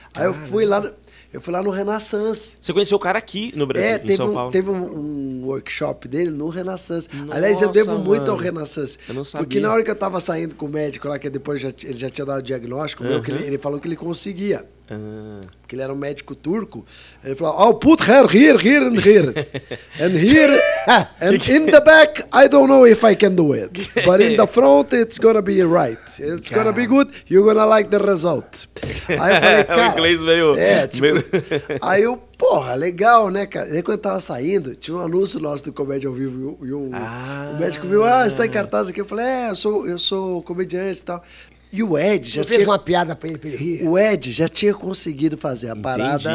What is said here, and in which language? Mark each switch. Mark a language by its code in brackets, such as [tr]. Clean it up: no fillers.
[pt] Aí eu fui lá no Renaissance. Você conheceu o cara aqui no Brasil, teve em São Paulo? Teve um workshop dele no Renaissance. Nossa, aliás, eu devo mano. Muito ao Renaissance. Eu não sabia. Porque na hora que eu tava saindo com o médico lá, que depois ele já tinha dado o diagnóstico, uhum. ele falou que ele conseguia. Uhum. Porque ele era um médico turco. [en] Ele falou, I'll put her here and here. And here, and in the back, I don't know if I can do it. But in the front, it's gonna be right. It's gonna be good. You're gonna like the result. [pt] Aí eu falei, cara... O inglês veio... Aí eu, porra, legal, né, cara? Aí quando eu tava saindo, tinha um anúncio nosso do Comédia ao Vivo. E o médico viu, você tá em cartaz aqui. Eu falei, eu sou comediante e tal. E o Ed já fez uma piada pra ele rir. O Ed já tinha conseguido fazer a parada.